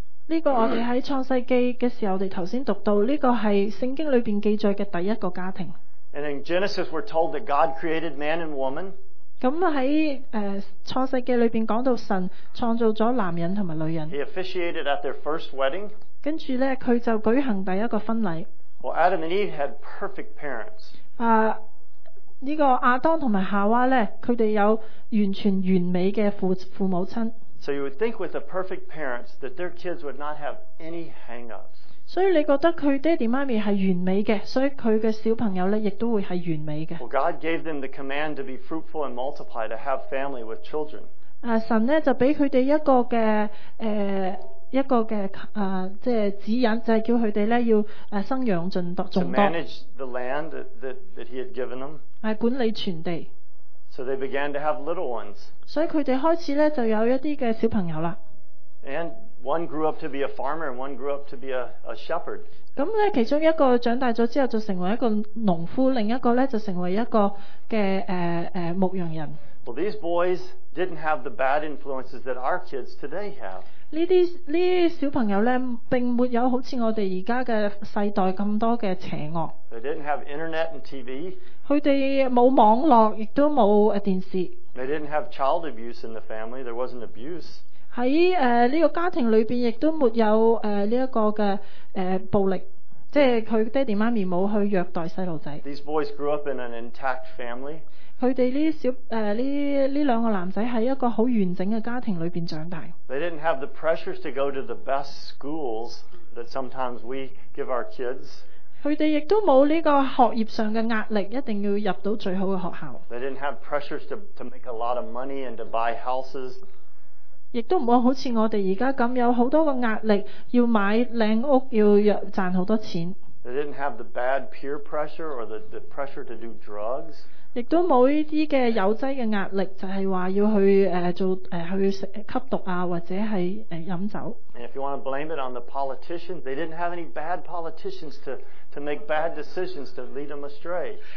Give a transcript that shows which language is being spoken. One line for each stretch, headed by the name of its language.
Cantonese: 呢個我哋喺創世記嘅時候，我哋頭先讀到呢個係聖經裏邊記載嘅第一個家庭。
English: And in Genesis, we're told that God created man and woman.
Cantonese: 咁喺創世記裏面講到神創造咗男人同埋女人。
English: He officiated at their first wedding.
Cantonese: 跟住咧，佢就舉行第一個婚禮。
English: Well, Adam and Eve had perfect parents.
Cantonese: 呢個亞當同埋夏娃咧，佢哋有完全完美嘅父母親。
English: So you would think with the perfect parents that their kids would not have any hang-ups.
Cantonese: 所以你覺得佢爹哋媽咪係完美嘅，所以佢嘅小朋友咧亦都會係完美嘅。
English: Well, God gave them the command to be fruitful and multiply to have family with children.
Cantonese: 神咧就俾佢哋一個嘅一個嘅即係指引，就係叫佢哋咧要生養眾多。
English: To manage the land that He had given them.
Cantonese: 管理全地。
English: So they began to have little ones.
Cantonese: 所以佢哋開始咧就有一啲嘅小朋友啦。
English: And One grew up to be a farmer, and one grew up to be a shepherd.
Cantonese: 咁咧，其中一個長大咗之後就成為一個農夫，另一個咧就成為一個嘅牧羊人。
English: Well, these boys didn't have the bad influences that our kids today have.
Cantonese: 呢啲小朋友咧，並沒有好似我哋而家嘅世代咁多嘅邪惡。
English: They didn't have internet and TV.
Cantonese: 佢哋冇網絡，亦都冇電視。
English: They didn't have child abuse in the family. There wasn't abuse.
Cantonese: 喺呢個家庭裏邊亦都沒有呢一個嘅暴力，即係佢爹哋媽咪冇去虐待細路仔。
English: These boys grew up in an intact family。
Cantonese: 佢哋呢小呢兩個男仔喺一個好完整嘅家庭裏邊長大。
English: They didn't have the pressures to go to the best schools that sometimes we give our kids。
Cantonese: 佢哋亦都冇呢個學業上嘅壓力，一定要入到最好嘅學校。
English: They didn't have pressures to make a lot of money and to buy houses。
Cantonese: 亦都唔會好似我哋而家咁有好多個壓力，要買靚屋，要賺好多錢。
English: They didn't have the bad peer pressure or the pressure to do drugs。
Cantonese: 亦都冇呢啲嘅有劑嘅壓力，就係話要去做去吸毒啊，或者係飲酒。
English: And if you want to blame it on the politicians, they didn't have any bad politicians to make bad decisions to lead them astray。